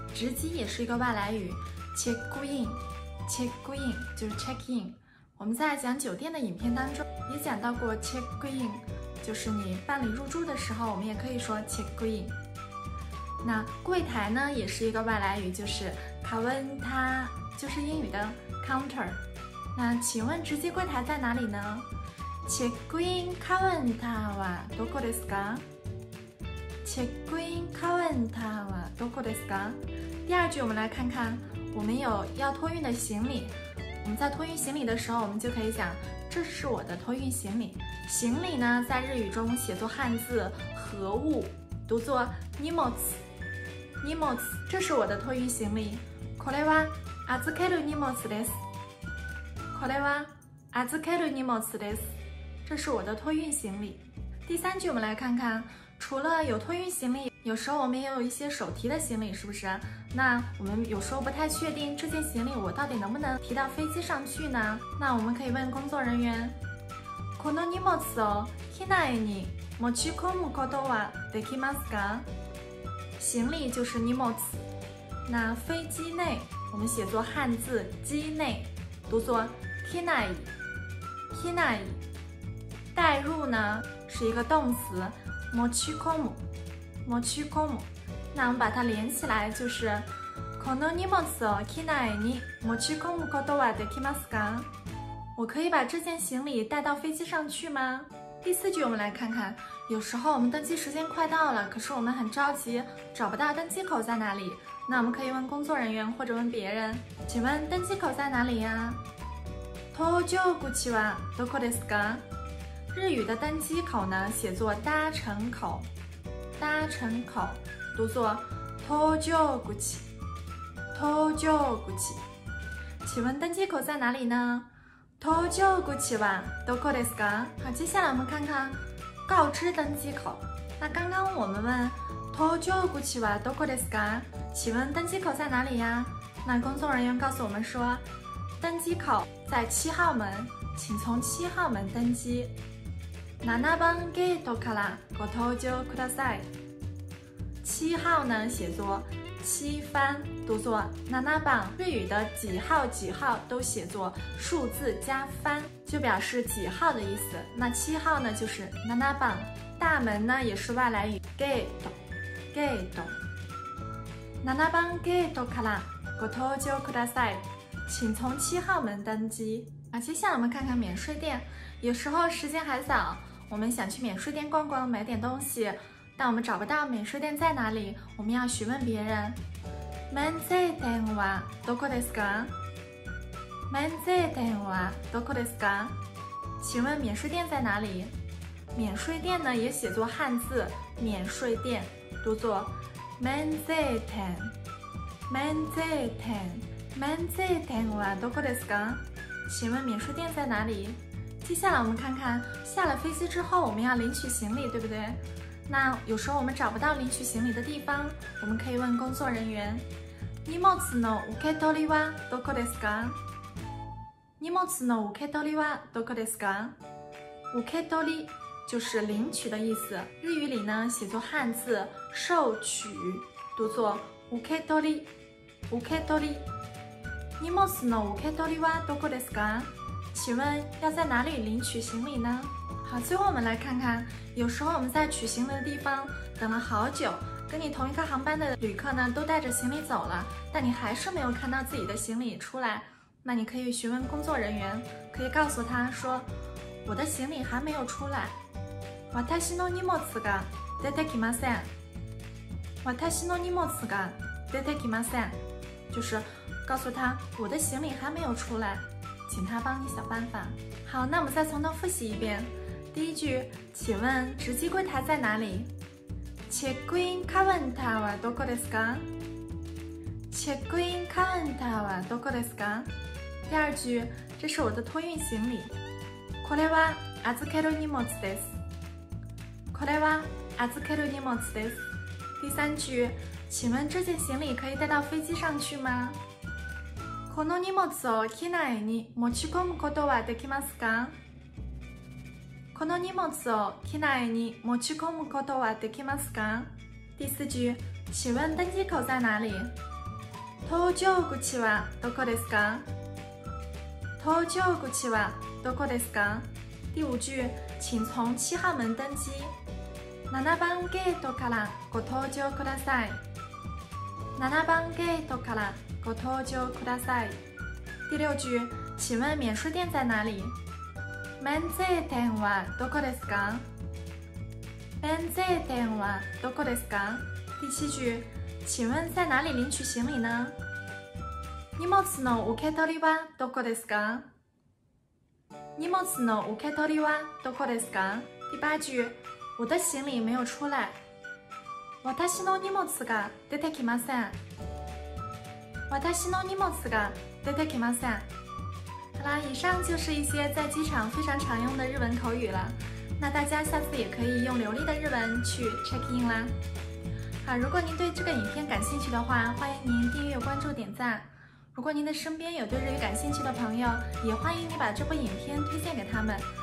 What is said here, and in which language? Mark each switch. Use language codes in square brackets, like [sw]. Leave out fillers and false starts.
[zh] 值机也是一个外来语 ，check in。check in 就是 check in。我们在讲酒店的影片当中也讲到过 check in。就是你办理入住的时候，我们也可以说 check in。那柜台呢，也是一个外来语，就是 counter， 就是英语的 counter。那请问值机柜台在哪里呢 [ja] ？check in counter はどこですか ？check in counter はどこですか？ [zh] 第二句，我们来看看，我们有要托运的行李。我们在托运行李的时候，我们就可以讲，这是我的托运行李。行李呢，在日语中写作汉字合物，读作荷物。荷物，这是我的托运行李。 [ja] これは預ける荷物です。これは預ける荷物です。 [zh] 这是我的托运行李。第三句，我们来看看，除了有托运行李，有时候我们也有一些手提的行李，是不是？那我们有时候不太确定这件行李我到底能不能提到飞机上去呢？那我们可以问工作人员。 [ja] この荷物を機内に持ち込むことはできますか？ [zh] 行李就是荷物。那飞机内，我们写作汉字机内，读作機内。機内。带入呢是一个动词，持ち込む。 [ja] 持ち込む。那我们把它连起来就是この荷物を機内に持ち込むことはできますか？ [zh] 我可以把这件行李带到飞机上去吗？第四句，我们来看看，有时候我们登机时间快到了，可是我们很着急，找不到登机口在哪里。那我们可以问工作人员或者问别人，请问登机口在哪里呀？ [ja] 搭乘口はどこですか？ [zh] 日语的登机口呢，写作搭乘口，搭乘口，读作搭乘口，搭乘口。请问登机口在哪里呢？ [ja] 搭乘口はどこですか？ [zh] 好，接下来我们看看告知登机口。那刚刚我们问 [ja] 搭乘口はどこですか？ [zh] 请问登机口在哪里呀？那工作人员告诉我们说，登机口在七号门，请从七号门登机。 [ja] 7番ゲートからご搭乗ください。 [zh] 七号呢，写作七番，读作ナナバン。日语的几号几号都写作数字加番，就表示几号的意思。那七号呢，就是ナナバン。大门呢，也是外来语ゲート。ゲート。 [ja] ナナバンゲートからご搭乗ください。 [zh] 请从七号门登机。啊，接下来我们看看免税店。有时候时间还早，我们想去免税店逛逛，买点东西。但我们找不到免税店在哪里，我们要询问别人。 [ja] 免税店はどこですか？免税店はどこですか？ [zh] 请问免税店在哪里？免税店呢，也写作汉字免税店，读作免税店。 [ja] 免税店。免税店はどこですか？ [zh] 请问免税店在哪里？接下来我们看看，下了飞机之后我们要领取行李，对不对？那有时候我们找不到领取行李的地方，我们可以问工作人员。 [ja] 荷物の受け取りはどこですか？荷物の受け取りはどこですか？ [zh] 受け取り就是领取的意思，日语里呢写作汉字受取，读作受け取り。受け取り。 [ja] 荷物の受け取りはどこですか？ [zh] 请问要在哪里领取行李呢？好，最后我们来看看，有时候我们在取行李的地方等了好久，跟你同一个航班的旅客呢都带着行李走了，但你还是没有看到自己的行李出来，那你可以询问工作人员，可以告诉他说，我的行李还没有出来。 [ja] 私の荷物が出てきません。私の荷物が出てきません。 [zh] 就是告诉他，我的行李还没有出来，请他帮你想办法。好，那我们再从头复习一遍。第一句，请问值机柜台在哪里？ [ja] チェックインカウンターはどこですか？チェックインカウンターはどこですか？ [zh] 第二句，这是我的托运行李。 [ja] これは預ける荷物です。これは預ける荷物です。 [zh] 第三句、请问这件行李可以带到飞机上去吗？ [ja] この荷物を機内に持ち込むことはできますか？この荷物を機内に持ち込むことはできますか？ [zh] 第四句、请问登机口在哪里？ [ja] 搭乗口はどこですか？搭乗口はどこですか？ [zh] 第五句、请从七号门登机。 [ja] 7番ゲートからご搭乗ください。7番ゲートからご搭乗ください。 [zh] 第六句、请问免税店在哪里？ [ja] 免税店はどこですか？免税店はどこですか？ [zh] 第七句、请问在哪里领取行李呢？ [ja] 荷物の受け取りはどこですか？荷物の受け取りはどこですか？ [zh] 第八句、我的行李没有出来。 [ja] 私の荷物が出てきません。私の荷物が出てきません。 [zh] 好啦，以上就是一些在机场非常常用的日文口语了。那大家下次也可以用流利的日文去 check in 啦。好，如果您对这个影片感兴趣的话，欢迎您订阅、关注、点赞。如果您的身边有对日语感兴趣的朋友，也欢迎你把这部影片推荐给他们。